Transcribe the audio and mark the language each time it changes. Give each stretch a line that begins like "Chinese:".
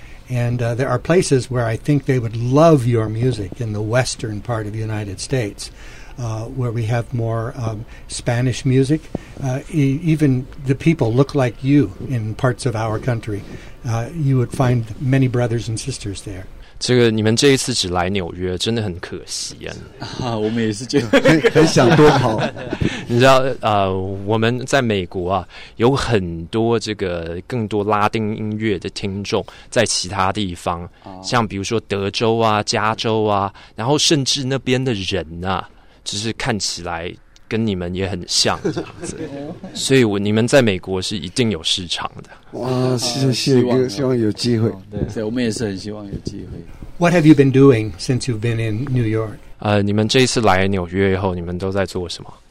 English: And there are places where I think they would love your music in the western part of the United States, where we have more Spanish music. Even the people look like you in parts of our country. You would find many brothers and sisters there.
Chinese: 这个你们这一次只来纽约，真的很可惜啊！啊，我们也是觉得很想多跑。你知道，我们在美国啊，有很多这个更多拉丁音乐的听众在其他地方，像比如说德州啊、加州啊，然后甚至那边的人啊，就是看起来跟你们也很像这样子，所以你们在美国是一定有市场的。哇，谢哥，希望有机会。对，我们也是很希望有机会。
English: What have you been doing since you've been in New York？
Chinese: 你们这一次来纽约以后，你们都在做什么？